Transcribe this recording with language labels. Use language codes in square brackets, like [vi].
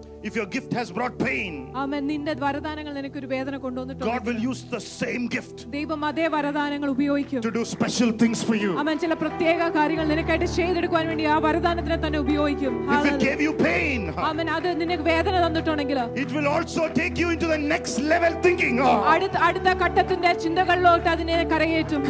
[en] If your gift has brought pain. Amen. [ml] നിന്റെ വരദാനങ്ങൾ നിനക്ക് ഒരു വേദന കൊണ്ടുവന്നിട്ടുണ്ട്. [en] God will use the same gift. [ml] ദൈവം അതേ വരദാനങ്ങൾ ഉപയോഗിക്കും. [en] To do special things for you. [ml] അവൻ ചില പ്രത്യേക കാര്യങ്ങൾ നിനക്കായിട്ട് ചെയ്തെടുക്കാൻ വേണ്ടി ആ വരദാനത്തെ തന്നെ ഉപയോഗിക്കും. [en] If it gave you pain. [ml] അവൻ അത് നിനക്ക് വേദന തന്നിട്ടുണ്ടെങ്കിൽ. [en] It will also take you into the next level thinking. [ml] അടുത്ത ഘട്ടത്തിന്റെ ചിന്തകളിലോട്ട് അതിനെ കരയേറ്റും.